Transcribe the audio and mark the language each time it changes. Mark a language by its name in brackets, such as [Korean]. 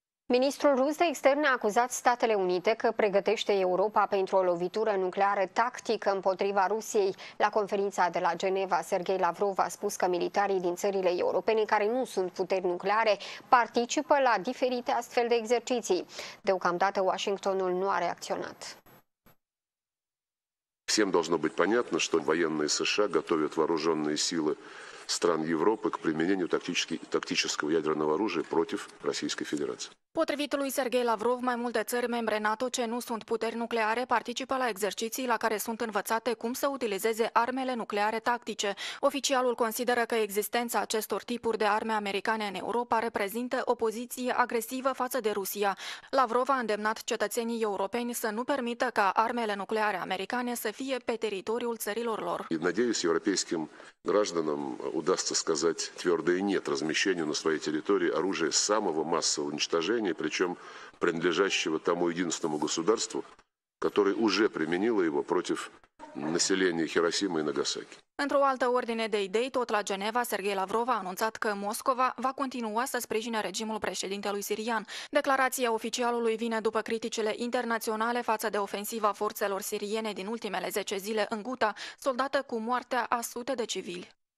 [Romanian] Ministrul rus de externe a acuzat Statele Unite că pregătește Europa pentru o lovitură nucleară tactică împotriva Rusiei. La conferința de la Geneva, Sergei Lavrov a spus că militarii din țările europene care nu sunt puteri nucleare participă la diferite astfel de exerciții. Deocamdată, Washingtonul nu a reacționat. [Russian] Всем должно быть понятно, что военные США готовят вооруженные силы стран Европы к применению тактического ядерного оружия против Российской Федерации. [Romanian] Potrivit lui Sergei Lavrov, mai multe țări membre NATO ce nu sunt puteri nucleare participă la exerciții la care sunt învățate cum să utilizeze armele nucleare tactice. Oficialul consideră că existența acestor tipuri de arme americane în Europa reprezintă o poziție agresivă față de Rusia. Lavrov a îndemnat cetățenii europeni să nu permită ca armele nucleare americane să fie pe teritoriul țărilor lor. [Russian] Надеюсь, европейским гражданам удастся сказать твердое нет размещению на своей территории оружия самого массового уничтожения, причем принадлежащего тому единственному государству, которое уже применило его против населения Хиросимы и Нагасаки. [Romanian] Într-o altă ordine de idei, tot la Geneva, Sergei Lavrov a anunțat că Moscova va continua să sprijine regimul președintelui sirian. Declarația oficialului vine după criticile internaționale față de ofensiva forțelor siriene din ultimele 10 zile în Ghuta, soldată cu moartea a sute de civili.